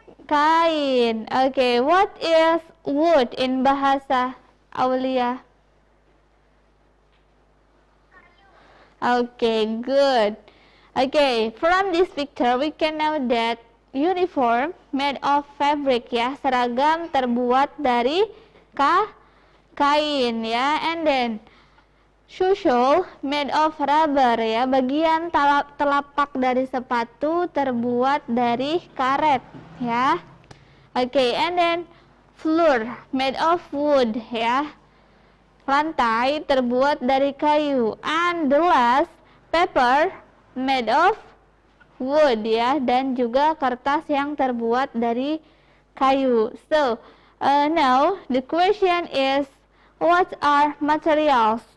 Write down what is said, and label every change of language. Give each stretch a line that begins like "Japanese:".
English: Kain. Okay, what is wood in Bahasa Awliya? Okay, good. Okay, from this picture we can know that uniform made of fabric, ya.
Indonesian: Seragam terbuat dari kain, ya.
English: And then shoe made of rubber, ya.
Indonesian: Bagian telapak dari sepatu terbuat dari karet, ya.
English: Okay, and then floor made of wood, ya.
Indonesian: Lantai terbuat dari kayu.
English: And the last, paper made of wood,
Indonesian: ya, dan juga kertas yang terbuat dari kayu.
English: So, now the question is, what are materials?